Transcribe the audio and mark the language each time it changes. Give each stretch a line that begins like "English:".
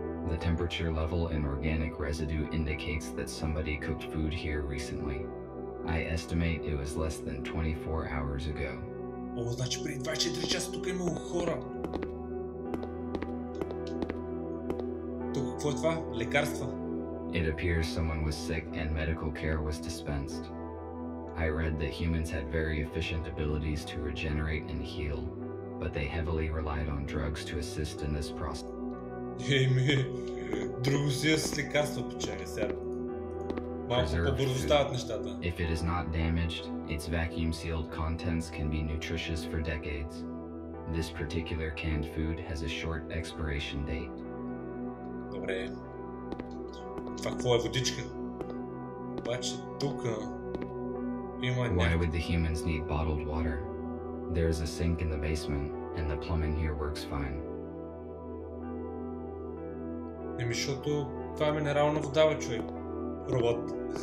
English: The temperature level in organic residue indicates that somebody cooked food here recently. I estimate it was less than 24 hours ago.
Bulgarian: О, значи преди 24 часа тук е много хора. Тук какво е това? Лекарства?
English: It appears someone was sick and medical care was dispensed. I read that humans had very efficient abilities to regenerate and heal, but they heavily relied on drugs to assist in this process. Hey, me.
Bulgarian: Друго си е с лекарство, печага сега. Малко по-бързо стават нещата.
English: If it is not damaged, its vacuum sealed contents can be nutritious for decades. This particular canned food has a short expiration date.
Bulgarian: Добре. Това какво е водичка? Обаче тук...
English: Why would the humans need bottled water? There is a sink in the basement, and the plumbing here works fine.
Bulgarian: Еми, защото това е минерална вода, бе, човек. Робот.